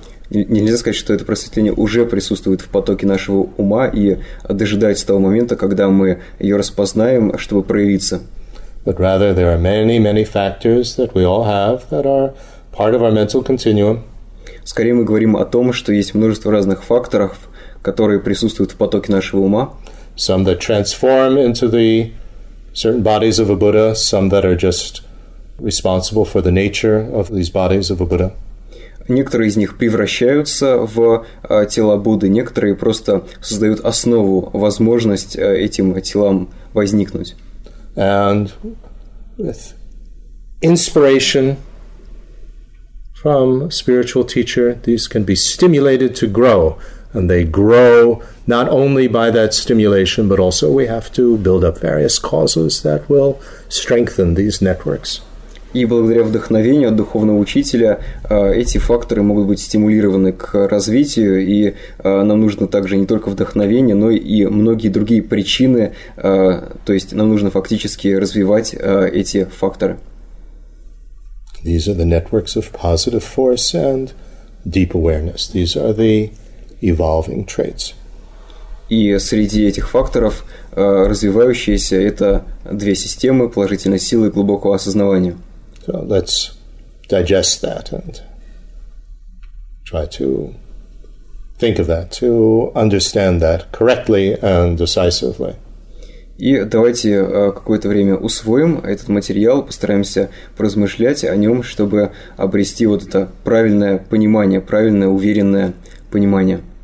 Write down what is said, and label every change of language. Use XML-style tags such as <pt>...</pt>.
<ru>Нельзя сказать, что это просветление уже присутствует в потоке нашего ума и дожидается того момента, когда мы ее распознаем, чтобы проявиться.</ru> <en>But rather, there are many, many factors that we all have that are part of our mental continuum.</en> <ru>Скорее мы говорим о том, что есть множество разных факторов, которые присутствуют в потоке нашего ума.</ru> <en>Some that transform into the certain bodies of a Buddha, some that are just responsible for the nature of these bodies of a Buddha.</en> <ru>Некоторые из них превращаются в тела Будды, некоторые просто создают основу, возможность этим телам возникнуть.</ru> <en>And with inspiration from spiritual teacher, these can be stimulated to grow, and they grow not only by that stimulation, but also we have to build up various causes that will strengthen these networks.</en> <ru>И благодаря вдохновению от духовного учителя эти факторы могут быть стимулированы к развитию, и нам нужно также не только вдохновение, но и многие другие причины, то есть нам нужно фактически развивать эти факторы.</ru> <en>These are the networks of positive force and deep awareness. These are the evolving traits.</en> <ru>И среди этих факторов развивающиеся – это две системы положительной силы и глубокого осознавания.</ru> <en>So let's digest that and try to think of that, to understand that correctly and decisively.</en> <ru>И давайте какое-то время усвоим этот материал, постараемся поразмышлять о нем, чтобы обрести вот это правильное понимание, правильное, уверенное понимание.</ru>